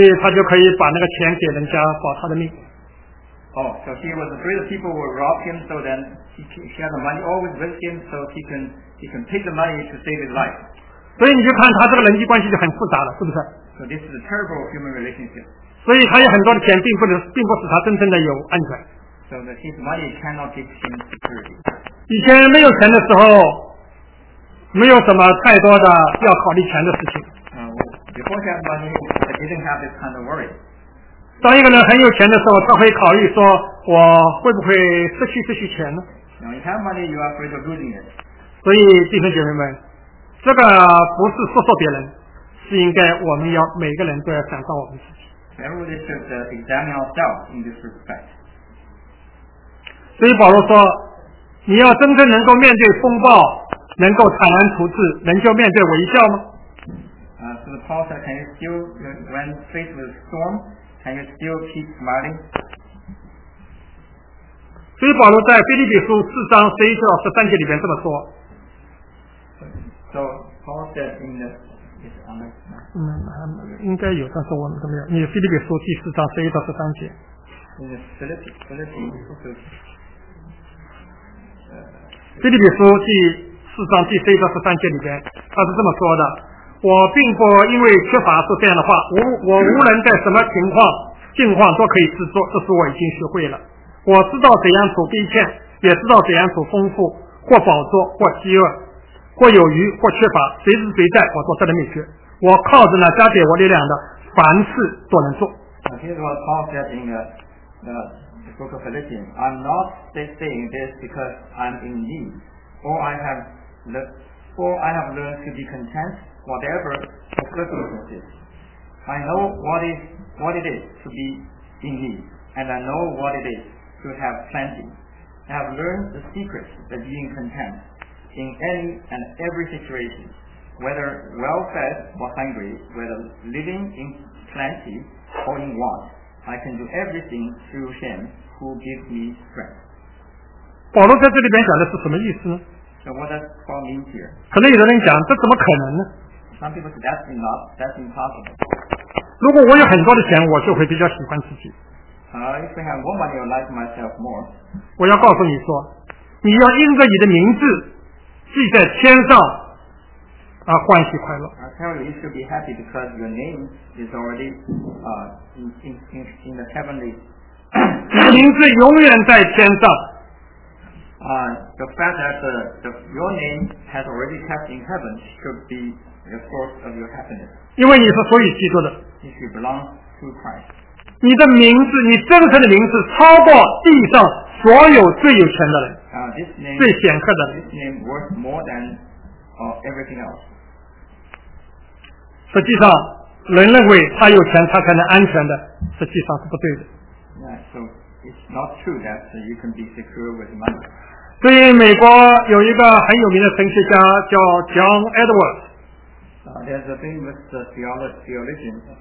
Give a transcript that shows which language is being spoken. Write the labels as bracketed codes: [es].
[zh] 以他就可以把那个钱给人家保他的命。 [en] Oh, so he was afraid that people would rob him, so then he had the money always with him, so he can take the money to save his life. [zh] 所以你就看他这个人际关系就很复杂了，是不是？ [en] So this is a terrible human relationship. [zh] 所以他有很多的钱，并不使他真正的有安全。 [en] So that his money cannot give him security. [zh] 以前没有钱的时候，没有什么太多的要考虑钱的事情。 [en] Before he had money, I didn't have this kind of worry. [zh] 当一个人很有钱的时候，他会考虑说，我会不会失去钱呢？ [en] Now, when you have money, you are afraid of losing it. [zh] 所以弟兄姐妹们，这个不是说别人，是应该我们要每个人都要想到我们自己。 [en] Everybody should examine ourselves in this respect. [zh] 所以保罗说，你要真正能够面对风暴，能够坦然处置，能就面对微笑吗？ [en] So the Paul said, can you still, when faced with storm, can you still keep smiling? [zh] 所以保罗在腓立比书四章十一至十三节里面这么说。 [en] So Paul said in the, is on the, [zh] 应该有，但是我们都没有。你腓立比书第四章十一到十三节。 [en] In the Philippians, okay. [zh] 腓立比书第四章第十一到十三节里边，他是这么说的：我并不因为缺乏说这样的话，我无论在什么境况都可以自作，这是我已经学会了。我知道怎样处卑欠，也知道怎样处丰富，或饱足，或饥饿，或有余，或缺乏，随时随在，我做这的秘诀。我靠着那加给我力量的，凡事都能做。 [en] The book of Philippians. I'm not saying this because I'm in need. I have learned to be content, whatever the circumstances. I know what it is to be in need, and I know what it is to have plenty. I have learned the secret of being content in any and every situation, whether well fed or hungry, whether living in plenty or in want. I can do everything through Him. Who gives me strength? [zh] 保罗在这里边讲的是什么意思呢？ [en] So what does Paul mean here? [zh] 可能有的人讲，这怎么可能呢？ [en] Some people say that's enough, that's impossible. [zh] 如果我有很多的钱，我就会比较喜欢自己。 [en] If I have more money, I'll like myself more. [zh] 我要告诉你说，你要因着你的名字记在天上而欢喜快乐。 [en] I tell you, you should be happy because your name is already in the heavenly. [zh] 名字永远在天上。 [en] The fact that your name has already kept in heaven should be the source of your happiness. [zh] 因为你是属于基督的。 [en] If you belong to Christ. [zh] 你的名字，你真实的名字，超过地上所有最有钱的人。 [en] This name, [zh] 最显赫的人。 [en] This name worth more than everything else. [zh] 实际上，人认为他有钱，他才能安全的，实际上是不对的。 [en] So it's not true that you can be secure with money. [zh] 对于美国有一个很有名的神学家叫 John Edwards. [en] There's a famous theologian.